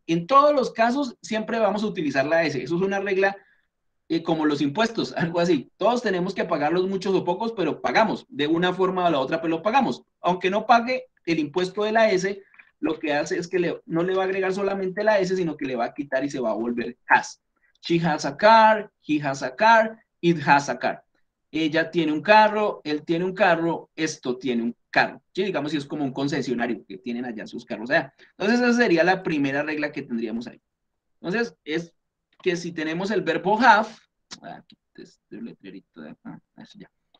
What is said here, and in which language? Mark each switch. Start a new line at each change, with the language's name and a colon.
Spanish: En todos los casos siempre vamos a utilizar la S. Eso es una regla. Como los impuestos, algo así. Todos tenemos que pagarlos, muchos o pocos, pero pagamos de una forma o la otra, pero lo pagamos. Aunque no pague el impuesto de la S, lo que hace es que no le va a agregar solamente la S, sino que le va a quitar y se va a volver has.
English: She has a car, he has a car, it has a car.
Spanish: Ella tiene un carro, él tiene un carro, esto tiene un carro. Sí, digamos, si es como un concesionario que tienen allá sus carros allá. Entonces, esa sería la primera regla que tendríamos ahí. Entonces, es que si tenemos el verbo have, aquí este letrerito de acá, eso ya.